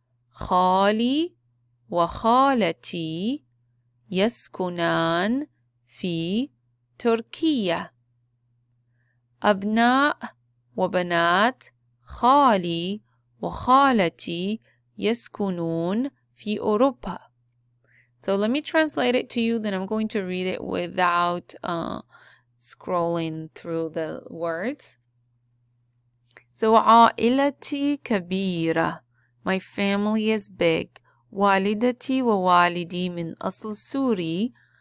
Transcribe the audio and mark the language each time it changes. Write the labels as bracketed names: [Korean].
[Arabic] خالي وخالتي يسكنان في تركيا. أبناء وبنات خالي وخالتي يسكنون في أوروبا. [English] So let me translate it to you, then I'm going to read it without scrolling through the words. [Arabic] So, عائلتي كبيرة. [English] My family is big. [Arabic] والدتي ووالدي من أصل سوري.